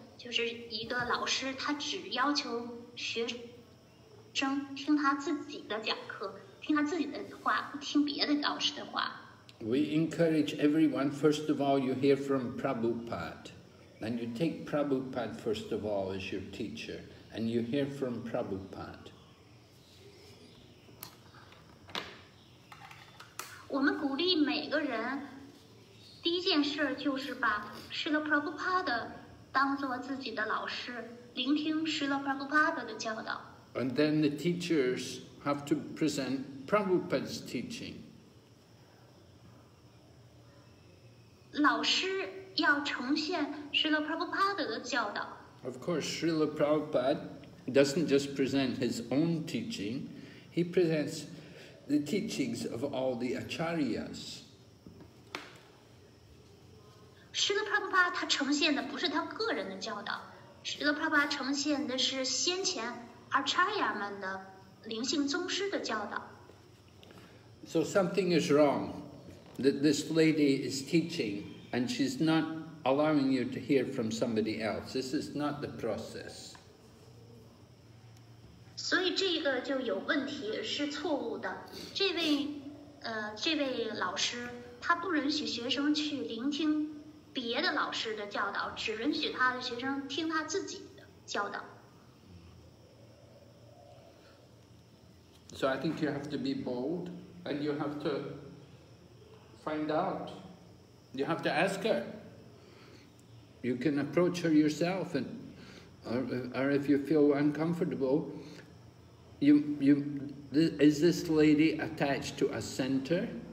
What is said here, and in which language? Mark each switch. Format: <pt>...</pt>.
<zh>就是一个老师，他只要求学生听他自己的讲课，听他自己的话，不听别的老师的话。</zh> <en>We encourage everyone, first of all, you hear from Prabhupada, and you take Prabhupada first of all as your teacher, and you hear from Prabhupada.</en> <zh>我们鼓励每个人，第一件事就是把是个 Prabhupada 的当做自己的老师，聆听Srila Prabhupada的教导。</zh> <en>And then the teachers have to present Prabhupada's teaching.</en> <zh>老师要呈现Srila Prabhupada的教导。</zh> <en>Of course, Srila Prabhupada doesn't just present his own teaching, he presents the teachings of all the acharyas.</en> <zh>师的帕布帕他呈现的不是他个人的教导，师的帕布帕呈现的是先前阿查亚们的灵性宗师的教导。</zh> <en>So something is wrong that this lady is teaching and she's not allowing you to hear from somebody else. This is not the process.</en> <zh>所以这个就有问题，是错误的。这位老师他不允许学生去聆听别的老师的教导，只允许他的学生听他自己的教导。</zh> <en>So I think you have to be bold, and you have to find out. You have to ask her. You can approach her yourself, and or if you feel uncomfortable, is this lady attached to a center?</en>